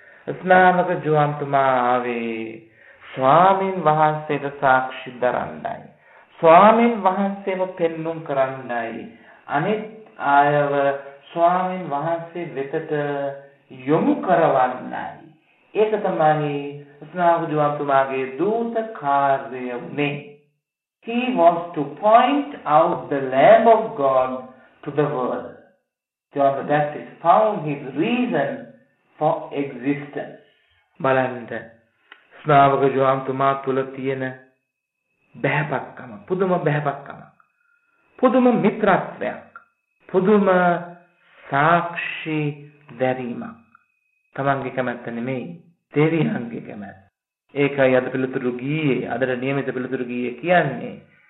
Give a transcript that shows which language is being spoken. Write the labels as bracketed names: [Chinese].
[Sinhala] ස්නාවක ජෝන්තුමා ආවේ ස්වාමින් වහන්සේට සාක්ෂි දරන්නයි. ස්වාමින් වහන්සේව පෙන්නුම් කරන්නයි. අනිත් ආයව ස්වාමීන් වහන්සේ වෙතට යොමු කරවන්නයි. ඒක තමයි ස්නාහුජුවන්තුමාගේ දූත කාර්යය වුනේ. [English] He was to point out the Lamb of God to the world. John the Baptist found his reason for existence. [Sinhala] බලන්න ස්නාහුජුවන්තුමා තුල තියෙන බහැපක්කම, පුදුම බහැපක්කමක්, පුදුම මිත්‍රත්වයක්, පුදුම සාක්ෂි දැරීමක්. තමන්ගේ කැමැත්ත නෙමෙයි දෙවියන්ගේ කැමැත්ත. ඒකයි අද පිළිතුරු ගියේ, අදට නියමිත පිළිතුරු ගියේ කියන්නේ.